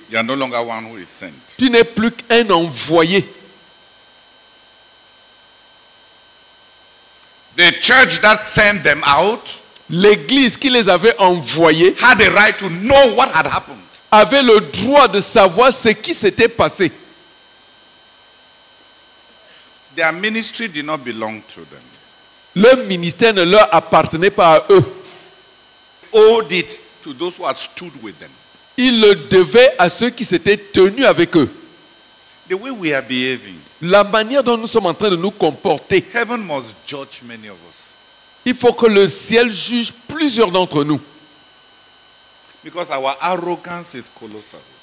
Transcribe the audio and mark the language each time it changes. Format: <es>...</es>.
<en>You are no longer one who is sent.</en> <fr>Tu n'es plus qu'un envoyé.</fr> <en>The church that sent them out,</en> <fr>l'église qui les avait envoyés,</fr> <en>had a right to know what had happened.</en> <fr>Avait le droit de savoir ce qui s'était passé.</fr> <en>Their ministry did not belong to them.</en> <fr>Le ministère ne leur appartenait pas à eux.</fr> <en>Owed it to those who had stood with them.</en> <fr>Il le devait à ceux qui s'étaient tenus avec eux.</fr> <en>The way we are behaving,</en> <fr>la manière dont nous sommes en train de nous comporter,</fr> <en>heaven must judge many of us.</en> <fr>Il faut que le ciel juge plusieurs d'entre nous.</fr> <en>Because our arrogance is colossal.</en>